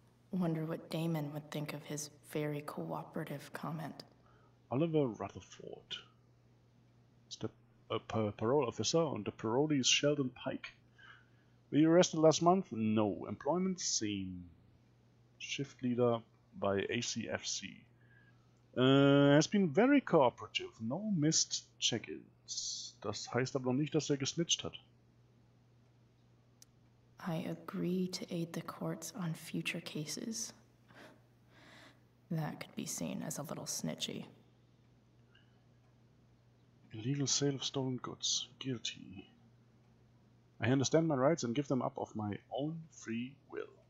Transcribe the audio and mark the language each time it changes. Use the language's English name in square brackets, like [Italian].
[English] Wonder what Damon would think of his very cooperative comment. Oliver Rutherford. [German] Ist der Parole Officer und der Parolee ist Sheldon Pike. [English] Were you arrested last month? No. Employment scene. Shift leader by ACFC. Has been very cooperative. No missed check-ins. [German] Das heißt aber noch nicht, dass er gesnitcht hat. [English] I agree to aid the courts on future cases. That could be seen as a little snitchy. Illegal sale of stolen goods. Guilty. I understand my rights and give them up of my own free will.